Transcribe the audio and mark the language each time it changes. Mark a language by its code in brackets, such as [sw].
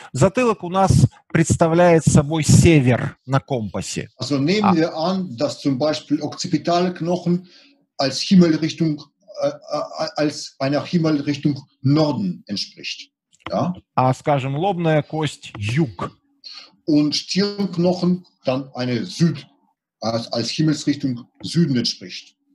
[ru] Затылок у нас представляет собой север на компасе. [de] Also nehmen wir an, dass zum Beispiel occipitale Knochen als Himmelrichtung als einer Himmelrichtung Norden entspricht. Ja? [ru] А, скажем, лобная кость юг. [de] Und Stirnknochen dann eine Süd, als Himmelsrichtung Süden entspricht.